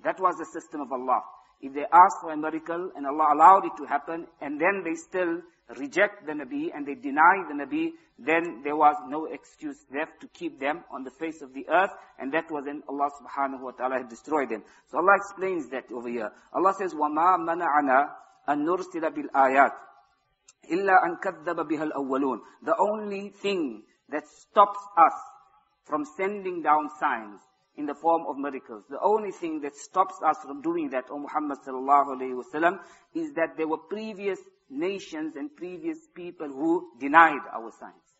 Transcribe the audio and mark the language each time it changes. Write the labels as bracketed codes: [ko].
[en] That was the system of Allah. If they asked for a miracle, and Allah allowed it to happen, and then they still reject the Nabi, and they deny the Nabi, then there was no excuse left to keep them on the face of the earth, and that was when Allah subhanahu wa ta'ala had destroyed them. So Allah explains that over here. Allah says, [ar] وَمَا مَنَعَنَا أَن نُرْسِلَ بِالْآيَاتِ إِلَّا أَن كَذَّبَ بِهَا الْأَوَّلُونَ. [en] The only thing that stops us from sending down signs in the form of miracles, the only thing that stops us from doing that, O Muhammad sallallahu alayhi wa sallam, is that there were previous nations and previous people who denied our signs.